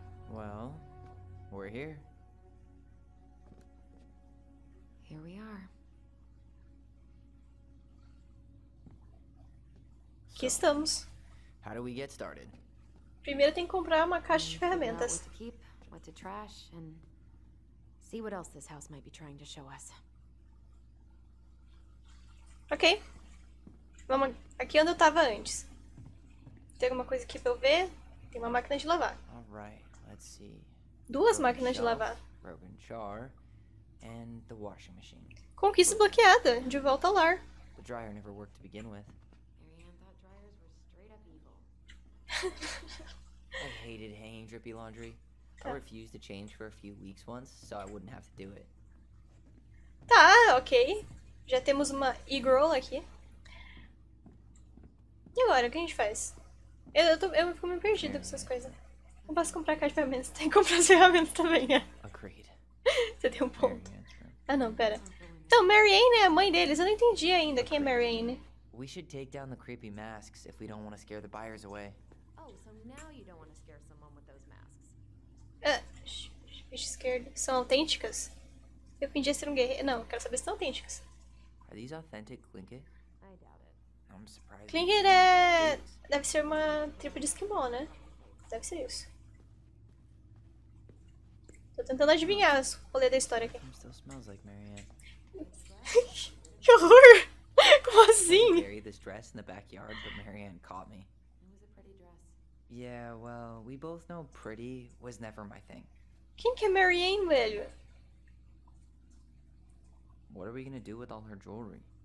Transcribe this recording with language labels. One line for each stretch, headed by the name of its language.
English: Well, we're here. Here we are.
Portuguese: Aqui estamos.
English: How do we get started?
Portuguese: Primeiro tem que comprar uma caixa de ferramentas.
English: What to keep, what to trash, and see what else this house might be trying to show us.
Portuguese: Ok. Vamos aqui onde eu tava antes. Tem alguma coisa aqui pra eu ver? Tem uma máquina de lavar.
English: Alright, let's see.
Portuguese: Duas máquinas de lavar.
English: Broken jar and the washing machine.
Portuguese: Conquista bloqueada. De volta ao lar.
English: The dryer never worked to begin with. Marianne thought dryers were straight up evil. I hated hanging drippy laundry. I refused to change for a few weeks once, so I wouldn't have to do it.
Portuguese: Tá, ok. Já temos uma e-girl aqui. E agora, o que a gente faz? Eu fico meio perdida com essas coisas. Não posso comprar caixa de ferramentas, tem que comprar as ferramentas também, né?
English: Agreed.
Portuguese: Você tem um ponto. Ah não, pera. Então, Marianne é a mãe deles, eu não entendi ainda quem é Marianne.
English: We should take down the creepy masks if we don't want to scare the buyers away. Oh, so now you don't want to scare someone with those masks.
Portuguese: Scared. São autênticas? Eu fingi ser um guerreiro. Não, quero saber se são autênticas.
English: Are these authentic, Klinket? I doubt it. I'm surprised.
Portuguese: Klinket é... deve ser uma tribo de esquimó, né? Deve ser isso. Tô tentando adivinhar o rolê da história aqui.
English: Still smells like Marianne.
Portuguese: Que horror! Como assim?
English: I carried this dress in the backyard, but Marianne caught me. It was a pretty dress. Yeah, well, we both know pretty was never my thing.
Portuguese: Quem que é Marianne, velho?
English: What are we gonna do with all her jewelry?